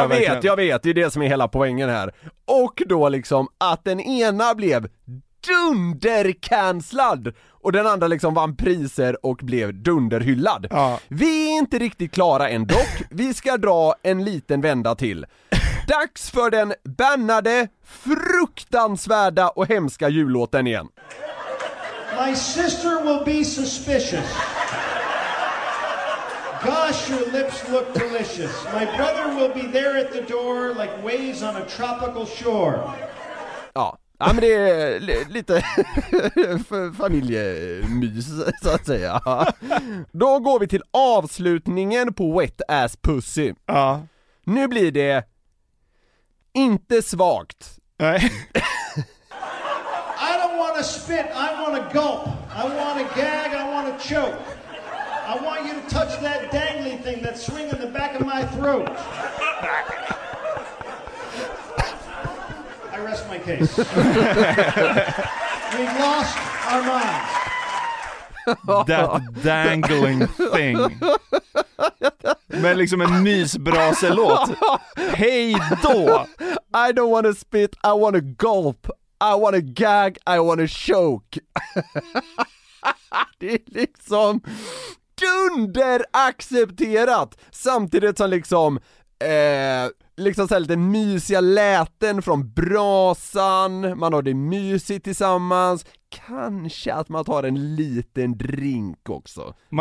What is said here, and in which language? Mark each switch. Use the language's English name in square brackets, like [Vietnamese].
[Swedish] Jag vet, verkligen. Jag vet. Det är det som är hela poängen här. Och då liksom att den ena blev dundercancelad och den andra liksom vann priser och blev dunderhyllad. Ja. Vi är inte riktigt klara än dock. Vi ska dra en liten vända till. Dags för den bannade, fruktansvärda och hemska jullåten igen. [English] My sister will be suspicious. Gosh, your lips look delicious. My brother will be there at the door like waves on a tropical shore. [Swedish] Ja. Ja, men det är lite familjemys, så att säga. Då går vi till avslutningen på Wet Ass Pussy. Ja. Nu blir det Inte svagt. Nej. [English] I don't want to spit. I want to gulp. I want to gag. I want to choke. I want you to touch that dangly thing that's swinging in the back of my throat. I rest my case. We've lost our minds. That dangling thing. [Swedish] Men liksom en mysbraselåt. Hej då. [English] I don't want to spit, I want to gulp, I want to gag, I want to choke. [Swedish] Det är liksom dunderaccepterat. Samtidigt som liksom liksom så här lite mysiga läten från brasan. Man har det mysigt tillsammans. Kanske att man tar en liten drink också.